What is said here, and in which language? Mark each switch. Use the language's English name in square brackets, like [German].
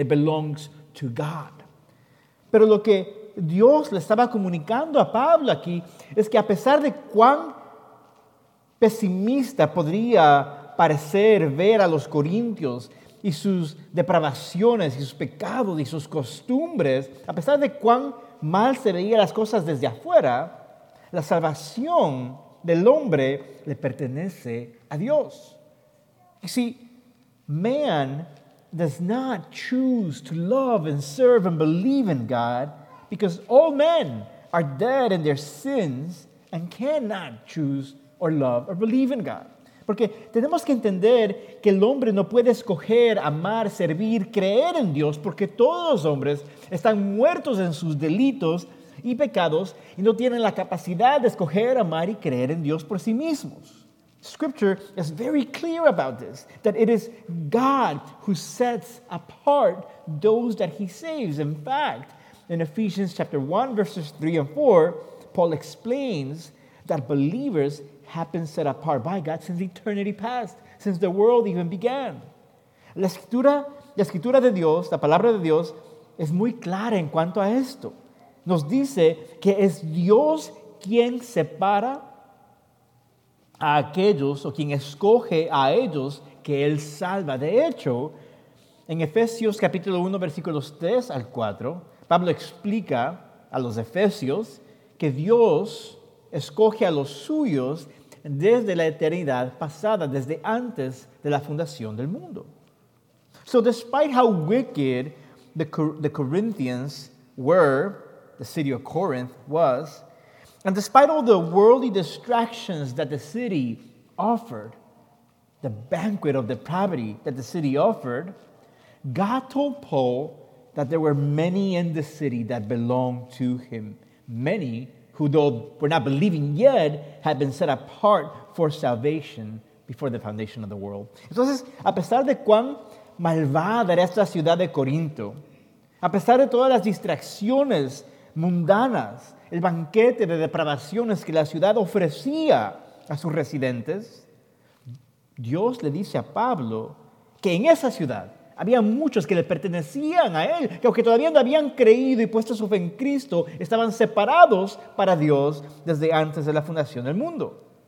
[English] It belongs to God. [Spanish] Pero lo que Dios le estaba comunicando a Pablo aquí es que a pesar de cuán pesimista podría parecer ver a los corintios y sus depravaciones y sus pecados y sus costumbres, a pesar de cuán mal se veían las cosas desde afuera, la salvación del hombre le pertenece a Dios. [English] You see, man does not choose to love and serve and believe in God because all men are dead in their sins and cannot choose or love or believe in God. [Spanish] Porque tenemos que entender que el hombre no puede escoger, amar, servir, creer en Dios, porque todos los hombres están muertos en sus delitos y pecados y no tienen la capacidad de escoger, amar y creer en Dios por sí mismos. [English] Scripture is very clear about this, that it is God who sets apart those that he saves. In fact, in Ephesians chapter 1, verses 3 and 4, Paul explains that believers have been set apart by God since eternity past, since the world even began. [Spanish] La escritura de Dios, la palabra de Dios, es muy clara en cuanto a esto. Nos dice que es Dios quien separa a aquellos o quien escoge a ellos que Él salva. De hecho, en Efesios capítulo 1, versículos 3 al 4, Pablo explica a los Efesios que Dios escoge a los suyos desde la eternidad pasada, desde antes de la fundación del mundo. [English] So despite how wicked the Corinthians were, the city of Corinth was, and despite all the worldly distractions that the city offered, the banquet of depravity that the city offered, God told Paul that there were many in the city that belonged to him. Many who, though were not believing yet, had been set apart for salvation before the foundation of the world. [Spanish] Entonces, a pesar de cuán malvada era esta ciudad de Corinto, a pesar de todas las distracciones mundanas, el banquete de depravaciones que la ciudad ofrecía a sus residentes, Dios le dice a Pablo que en esa ciudad había muchos que le pertenecían a él, que aunque todavía no habían creído y puesto su fe en Cristo, estaban separados para Dios desde antes de la fundación del mundo.